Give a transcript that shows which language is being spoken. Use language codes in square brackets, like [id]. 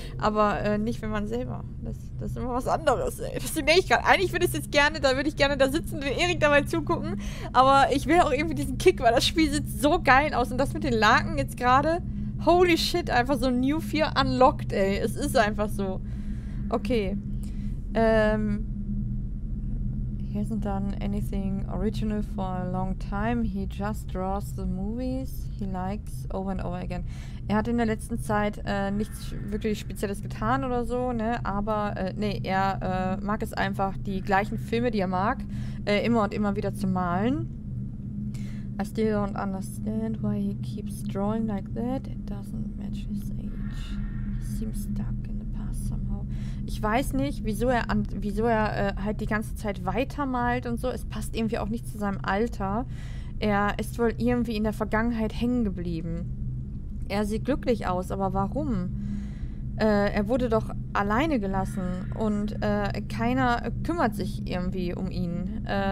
[de] Aber nicht, wenn man selber, das ist immer was anderes, ey. Das nehme ich gerade. Eigentlich würde ich es jetzt gerne, da würde ich gerne da sitzen und Erik dabei zugucken. Aber ich will auch irgendwie diesen Kick, weil das Spiel sieht so geil aus. Und das mit den Laken jetzt gerade, [en] holy shit, [de] einfach so [en] New Fear unlocked, [de] ey. Es ist einfach so. Okay. [en] He hasn't done anything original for a long time. He just draws the movies he likes over and over again. [de] Er hat in der letzten Zeit nichts wirklich Spezielles getan oder so, ne? Aber er mag es einfach, die gleichen Filme, die er mag, immer und immer wieder zu malen. [en] I still don't understand why he keeps drawing like that. It doesn't match his age. He seems stuck in the past somehow. [de] Ich weiß nicht, wieso er halt die ganze Zeit weitermalt und so. Es passt irgendwie auch nicht zu seinem Alter. Er ist wohl irgendwie in der Vergangenheit hängen geblieben. Er sieht glücklich aus, aber warum? Er wurde doch alleine gelassen und keiner kümmert sich irgendwie um ihn.